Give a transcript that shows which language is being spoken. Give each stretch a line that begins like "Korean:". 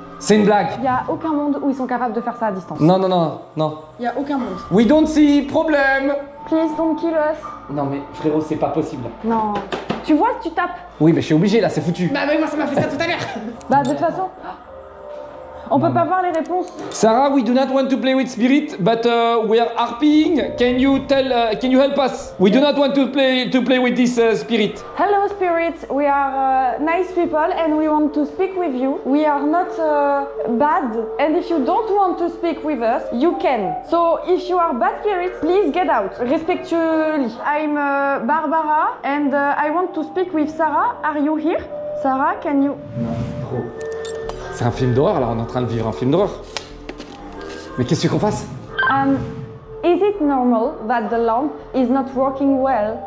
French: Il y a aucun monde où ils sont capables de faire ça à distance. Non. Il y a aucun monde.
English: We don't see problem. Please don't kill us.
French: Non mais frérot, c'est pas possible. Non. Tu vois, tu tapes. Oui, mais je suis obligé là, c'est foutu. Bah oui, moi ça m'a fait ça tout à l'heure. Bah de toute façon, on peut pas voir les réponses.
English: Sarah, we do not want to play with spirit, but we are harping. Can you help us? We do not want to play with this spirit. Hello spirit, we are nice people and we want to speak with you. We are not bad and if you don't want to speak with us, you can. So if you are bad spirits, please get out. Respectfully. I'm Barbara and I want to speak with Sarah. Are you here? Sarah, can you...
French: C'est un film d'horreur là, on est en train de vivre un film d'horreur. Mais qu'est-ce qu'on fasse?
English: Is it normal that the lamp is not working well?